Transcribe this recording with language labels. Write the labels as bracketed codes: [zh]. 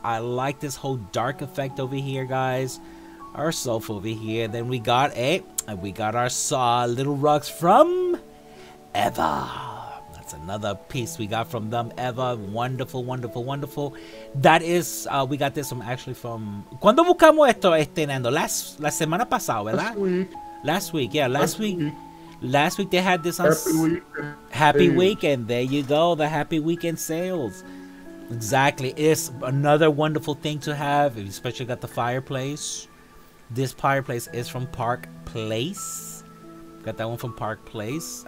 [en] I like this whole dark effect over here, guys. Our sofa over here. Then we got our little rugs from Eva. That's another piece we got from them. Eva, wonderful, wonderful, wonderful. That is, we got this from actually from. [es] ¿Cuándo buscamos esto, Nando? La semana pasada, ¿verdad? [en] Last week. Last week they had this on Happy Weekend. There you go, the Happy Weekend sales. Exactly. It's another wonderful thing to have, especially got the fireplace. This fireplace is from Park Place. Got that one from Park Place.